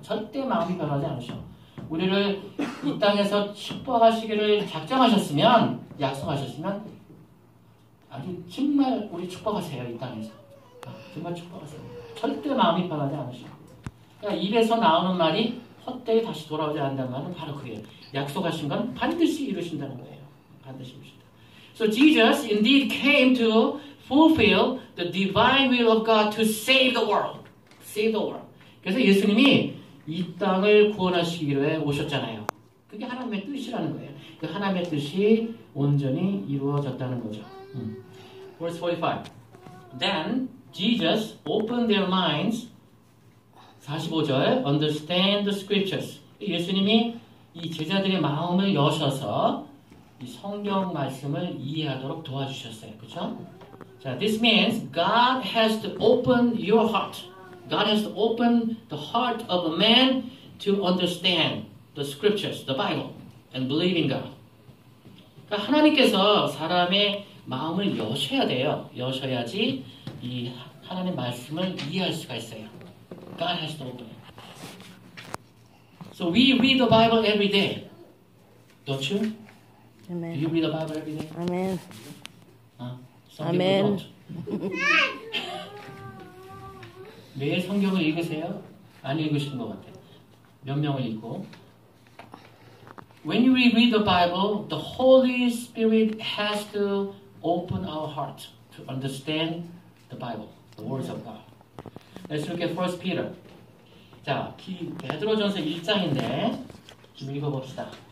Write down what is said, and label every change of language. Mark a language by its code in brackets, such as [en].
[ko] 절대 마음이 변하지 않으셔. 우리를 이 땅에서 축복하시기를 작정하셨으면 약속하셨으면 아주 정말 우리 축복하세요. 이 땅에서 정말 축복하세요. 절대 마음이 변하지 않으셔. 그러니까 입에서 나오는 말이 헛되이 다시 돌아오지 않는다는 말은 바로 그게 약속하신 건 반드시 이루신다는 거예요. 반드시 이루신다. [en] So Jesus indeed came to fulfill the divine will of God to save the world. Save the world. [ko] 그래서 예수님이 이 땅을 구원하시기 위해 오셨잖아요. 그게 하나님의 뜻이라는 거예요. 그 하나님의 뜻이 온전히 이루어졌다는 거죠. [en] Verse 45. Then Jesus opened their minds. [ko] 45절. [en] Understand the scriptures. [ko] 예수님이 이 제자들의 마음을 여셔서 이 성경 말씀을 이해하도록 도와주셨어요. 그렇죠? [en] 자, this means God has to open your heart. God has to open the heart of a man to understand the scriptures, the Bible, and believe in God. [ko] 그러니까 하나님께서 사람의 마음을 여셔야 돼요. 여셔야지 이 하나님의 말씀을 이해할 수가 있어요. [en] God has to open it. So we read the Bible every day. Don't you? Amen. Do you read the Bible every day? Amen. Some Amen. [ko] 매일 성경을 읽으세요? 안 읽으시는 것 같아요. 몇 명을 읽고? [en] When we read the Bible, the Holy Spirit has to open our hearts to understand the Bible, the words of God. Let's look at 1 Peter. [ko] 자, 베드로전서 1장인데 좀 읽어봅시다.